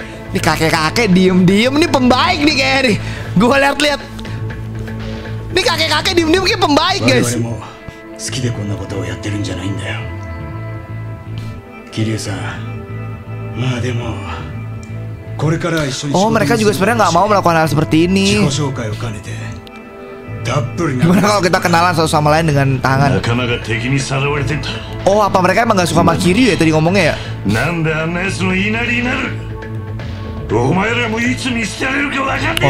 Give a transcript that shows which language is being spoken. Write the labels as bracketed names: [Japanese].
[Indonesian] Ini kakek-kakek diem-diem nih pembaik nih kayaknya nih. Gua lihat-lihat. Ini kakek-kakek diem-diem kayak pembaik, guys. [Japanese] 好きでこんなことをやってるんじゃないんだよ。キリュウさん、まあでもこれから一緒に。 [Indonesian] Oh, mereka juga sebenarnya nggak mau melakukan hal seperti ini. [Japanese] 自己紹介を兼ねて、たっぷり。 [Indonesian] Gimana kalau kita kenalan satu sama lain dengan tangan? [Japanese] 仲間が敵にさらわれてんだ。 [Indonesian] Oh, apa mereka emang nggak suka sama キリュウ ya tadi ngomongnya ya? [Japanese] なんであんな奴の言いなりになる？お前らもいつ見捨てられるか分かってる